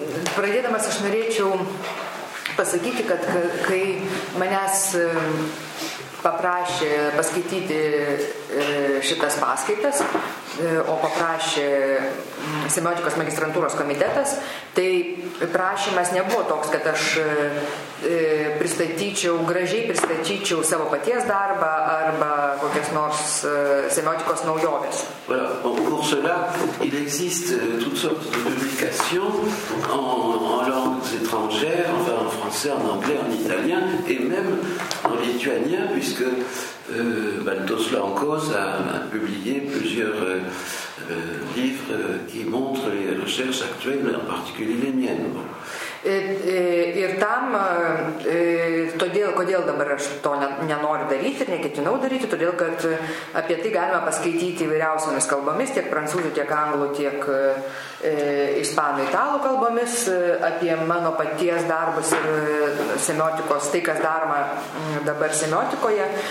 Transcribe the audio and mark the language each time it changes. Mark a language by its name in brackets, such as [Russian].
[Lithuanian] Pradėdamas aš norėčiau pasakyti, kad kai manęs paprašė paskaityti šitas paskaitas, o paprašė semiotikos magistrantūros komitetas, tai prašymas nebuvo toks, kad aš gražiai pristatyčiau savo paties darbą arba kokias nors semiotikos naujoves. [French] Voilà, bon, pour cela, il existe toutes sortes de publications en langues étrangères, enfin en français, en anglais, en italien et même en lituanien, puisque Baltos Lankos a publié plusieurs livres qui montrent les recherches actuelles, mais en particulier les miennes. [Lithuanian] Ir tam, todėl, kodėl dabar aš to nenoriu daryti ir neketinau daryti, todėl, kad apie tai galima paskaityti įvairiausiomis kalbomis, tiek prancūzų, tiek anglų, tiek ispanų, italų kalbomis, apie mano paties darbus ir semiotikos, tai, kas daroma dabar semiotikoje.